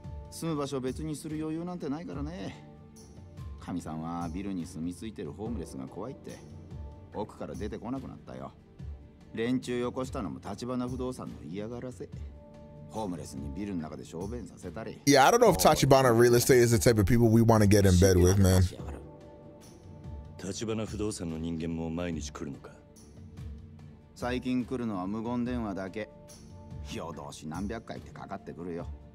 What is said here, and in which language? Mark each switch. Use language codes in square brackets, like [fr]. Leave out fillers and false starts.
[ja] 住む場所別にする余裕なんてないからね。神さんはビルに住み着いてるホームレスが怖いって。奥から出てこなくなったよ。連中よこしたのも立花不動産の嫌がらせ。ホームレスにビルの中で小便させたり。 [en] いや、I don't know if Tachibana Real Estate is the type of people we want to get in bed with, man. [ja] 立花不動産の人間も毎日来るのか。最近来るのは無言電話だけ。夜通し何百回ってかかってくるよ。